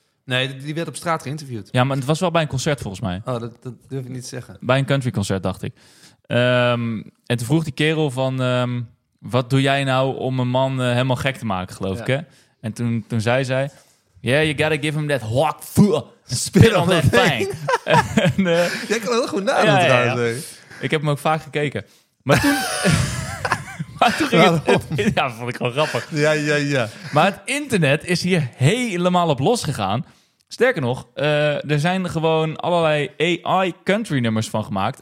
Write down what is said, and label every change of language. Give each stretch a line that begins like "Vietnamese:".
Dutch: Nee, die werd op straat geïnterviewd. Ja, maar het was wel bij een concert volgens mij. Oh, dat durf ik niet te zeggen. Bij een countryconcert, dacht ik. En toen vroeg die kerel van, wat doe jij nou om een man helemaal gek te maken, geloof ik, hè? En toen zei zij,
English: yeah, you gotta give him that hawk foo, spit on that thing.
Dutch: Jij kan heel goed nadoen, ja, trouwens. Ja. Ik heb hem ook vaak gekeken. Maar toen... ja, dat vond ik gewoon grappig. Ja. Maar het internet is hier helemaal op losgegaan. Sterker nog, er zijn gewoon allerlei AI country nummers van gemaakt.